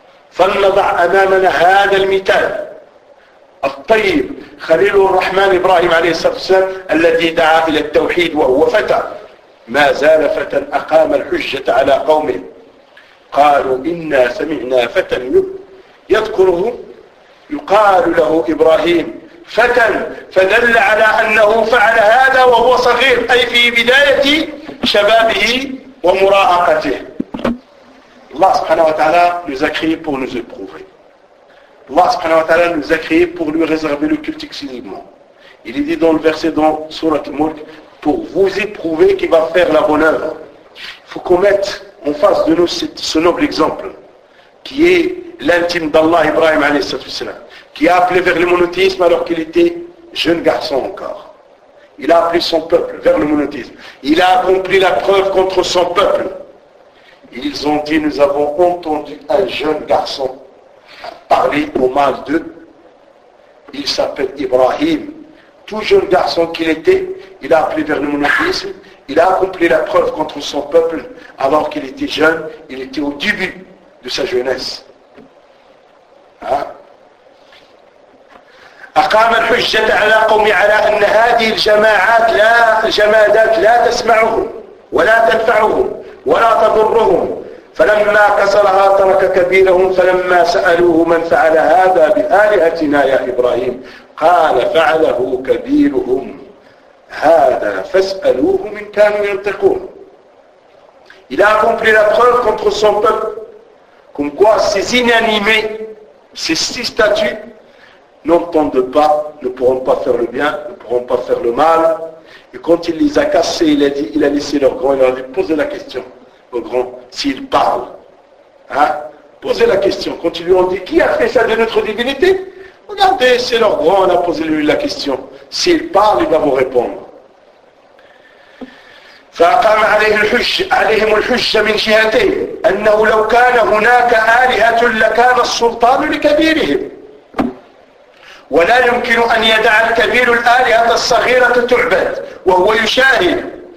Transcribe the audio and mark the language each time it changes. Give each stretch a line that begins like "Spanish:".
Arabic: فَلْنَضَعْ أَمَامَنَا هَذَا الْمِثَالِ الطيب خليل الرحمن إبراهيم عليه الصلاة والسلام الذي دعا إلى التوحيد وهو فتى ما زال فتى أقام الحجة على قومه قالوا إنا سمعنا فتى يذكره يقال له إبراهيم فتى فدل على أنه فعل هذا وهو صغير أي في بداية شبابه ومراهقته. الله سبحانه وتعالى يزكيه
French: pour nous éprouver. Allah subhanahu wa ta'ala nous a créés pour lui réserver le culte exclusivement. Il est dit dans le verset dans Surat al-Mulk, pour vous éprouver qu'il va faire la bonne œuvre. Il faut qu'on mette en face de nous ce noble exemple, qui est l'intime d'Allah Ibrahim alayhi salam, qui a appelé vers le monothéisme alors qu'il était jeune garçon encore. Il a appelé son peuple vers le monothéisme. Il a accompli la preuve contre son peuple. Ils ont dit, nous avons entendu un jeune garçon parler au mal d'eux. Il s'appelle Ibrahim. Tout jeune garçon qu'il était, il a appelé vers le monothéisme. Il a accompli la preuve contre son peuple alors qu'il était jeune. Il était au début de sa jeunesse. Hein?
Arabic: أقام الحجة على قومي على أن هذه الجماعات لا الجمادات لا تسمعهم ولا تنفعهم ولا تضرهم فلما كسرها ترك كبيرهم فلما سألوه من فعل هذا بآلهتنا يا إبراهيم قال فعله كبيرهم هذا فاسألوه من كانوا ينطقون إلى
French: accompli la preuve contre son peuple comme quoi ces inanimés ces six statues n'entendent pas, ne pourront pas faire le bien, ne pourront pas faire le mal. Et quand il les a cassés, il a dit, il a laissé leur grand, il leur a dit, posez la question au grand, s'il parle. Hein? Posez la question. Quand ils lui ont dit, qui a fait ça de notre divinité? Regardez, c'est leur grand, on a posé lui la question. S'il parle, il va vous répondre.
Arabic: فقام عليه الحج عليهم الحج من جهتين أنه لو كان هناك آلهة لكان السلطان لكبيرهم ولا يمكن أن يدع الكبير الآلهة الصغيرة تعبد وهو يشاهد